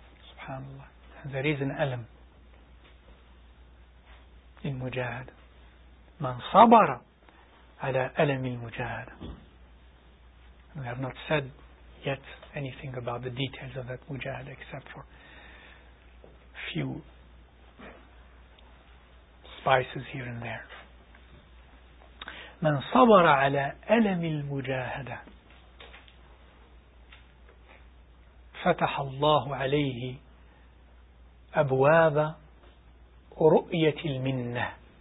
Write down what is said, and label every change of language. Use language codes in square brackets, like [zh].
[ar] سبحان الله, [en] there is an [ar] ألم المجاهد. من صبر على ألم المجاهد. [en] We have not said yet anything about the details of that mujahid except for few spices here and there. [ar] من صبر على ألم المجاهدة فتح الله عليه أبواب رؤية المنة.